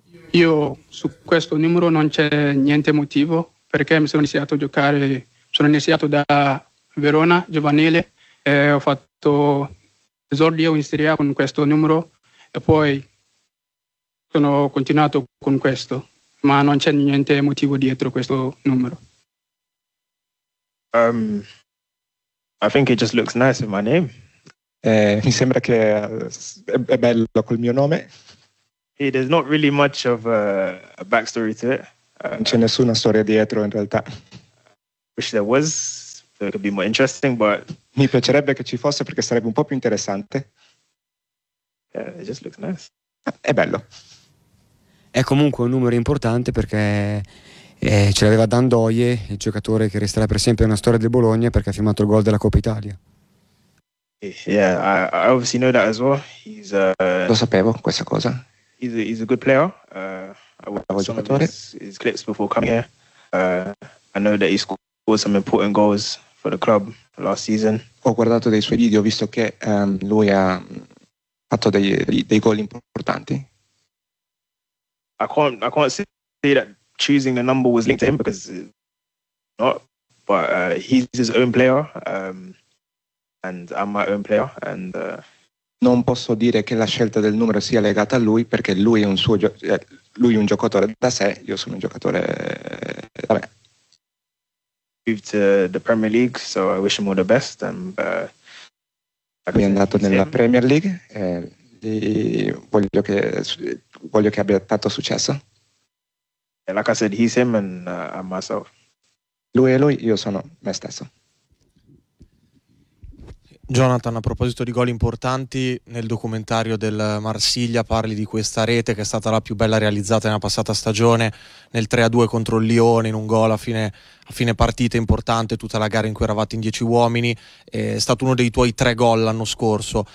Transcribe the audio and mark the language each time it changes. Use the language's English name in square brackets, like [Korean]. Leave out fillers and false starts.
[Italian] Io su questo numero non c'è niente motivo, perché mi sono iniziato a giocare, sono iniziato da Verona, giovanile, e ho fatto esordio in Serie A con questo numero e poi sono continuato con questo, ma non c'è niente motivo dietro questo numero. [English] I think it just looks nice with my name. [Italian] Mi sembra che è bello col mio nome. [English] Hey, there's not really much of a backstory to it. [Italian] Non c'è nessuna storia dietro in realtà. [English] Wish there was, it could be more interesting, but [Italian] mi piacerebbe che ci fosse perché sarebbe un po' più interessante. [English] Yeah, it just looks nice. [Italian] È bello. È comunque un numero importante perché ce l'aveva Dandoie, il giocatore che resterà per sempre nella storia del Bologna perché ha firmato il gol della Coppa Italia. [English] Yeah, I obviously know that as well. He's [Italian] lo sapevo questa cosa. [English] He's a good player. I watched some of his clips before coming here. I know that he scored some important goals for the club last season. [Italian] Ho guardato dei suoi video, ho visto che lui ha fatto dei gol importanti. [English] I can't say that choosing the number was linked to him because it's not, but he's his own player, and I'm my own player, and [Italian] non posso dire che la scelta del numero sia legata a lui perché lui è un suo lui è un giocatore da sé, io sono un giocatore da me. [English] Move to the Premier League, so I wish him all the best. [Italian] Mi è andato nella Premier League e voglio che abbia tanto successo. [English] And like I said, he's him and I'm myself. [Italian] Lui è lui, io sono me stesso. Jonathan, a proposito di gol importanti, nel documentario del Marsiglia parli di questa rete che è stata la più bella realizzata nella passata stagione, nel 3-2 contro il Lione, in un gol a fine partita importante, tutta la gara in cui eravate in 10 uomini, è stato uno dei tuoi 3 gol l'anno scorso.